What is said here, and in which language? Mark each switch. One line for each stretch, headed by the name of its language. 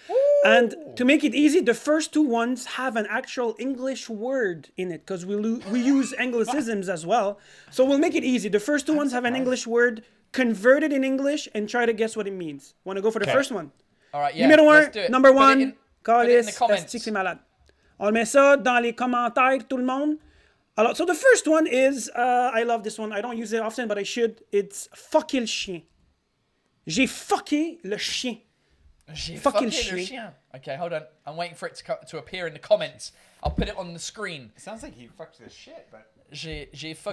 English: Ooh. And to make it easy, the first two ones have an actual English word in it, because we use anglicisms as well. So we'll make it easy. The first two ones have an English word, convert it in English, and try to guess what it means. Want to go for the first one? All right, yeah. Let's do it. Number one, call is
French: esti que malade. On met ça dans les commentaires, tout le monde. Alors,
English: so the first one is, I love this one. I don't use it often, but I should.
French: It's fucker le chien. J'ai fucké le chien. J'ai fucké le chien.
English: Okay, hold on. I'm waiting for it to appear in the comments. I'll put it on the screen. It sounds like he fucked the shit, but...
French: J'ai fucké le chien.